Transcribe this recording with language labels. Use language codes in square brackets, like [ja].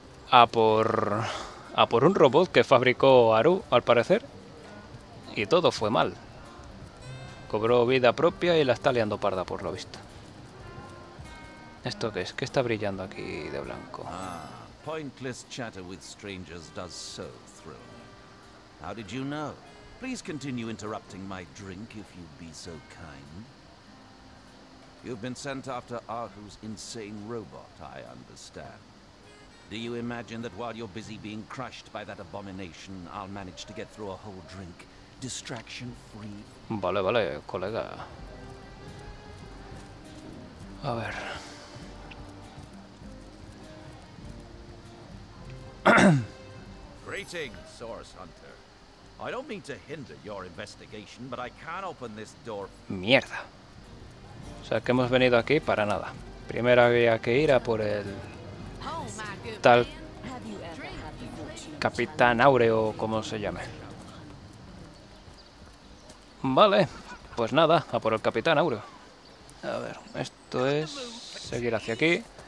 [es] a por un robot que fabricó Aru, al parecer. Y todo fue mal. Cobró vida propia y la está liando parda, por lo visto. ¿Esto qué es? ¿Qué está brillando aquí de blanco? [en] Ah, pointless chatter with strangers does so thrill me. How did you know? Please continue interrupting my drink if you'd be so kind. You've been sent after Aru's insane robot, I understand. Do you imagine that while you're busy being crushed by that abomination, I'll manage to get through a whole drink, distraction free? [es] Vale, vale, colega. A ver. [en] Greetings, Source Hunter. I don't mean to hinder your investigation, but I can't open this door. [es] Mierda. O sea, que hemos venido aquí para nada. Primero había que ir a por el tal Capitán Áureo, como se llame. Vale, pues nada, a por el Capitán Áureo. A ver, esto es seguir hacia aquí.